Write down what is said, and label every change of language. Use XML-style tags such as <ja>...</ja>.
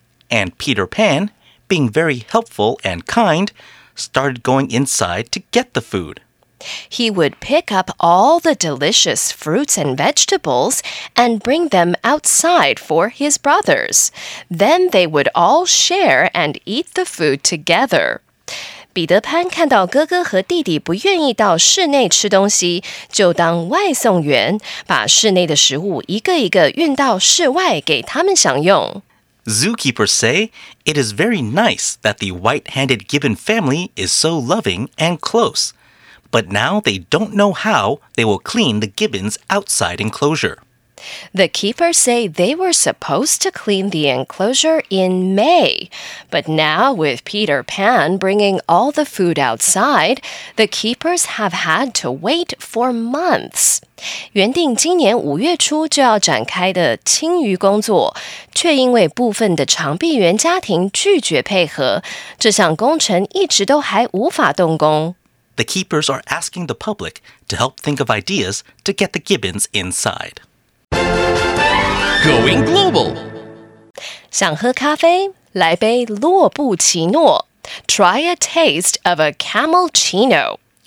<en>And Peter Pan, being very helpful and kind, started going inside to get the food. He would pick up all the delicious fruits and vegetables and bring them outside for his brothers. Then they would all share and eat the food together.</en> <zh>比德潘看到哥哥和弟弟不愿意到室内吃东西，就当外送员，把室内的食物一个一个运到室外给他们享用。</zh> <en>Zookeepers say it is very nice that the white-handed gibbon family is so loving and close, but now they don't know how they will clean the gibbons' outside enclosure. The keepers say they were supposed to clean the enclosure in May, but now with Peter Pan bringing all the food outside, the keepers have had to wait for months.</en> <zh>原定今年五月初就要展开的清鱼工作，却因为部分的长臂猿家庭拒绝配合，这项工程一直都还无法动工。</zh> <en>The keepers are asking the public to help think of ideas to get the gibbons inside. Going global.</en> <zh>想喝咖啡？来杯駱布奇諾。</zh> <en>Try a taste of a camel-ccino.</en>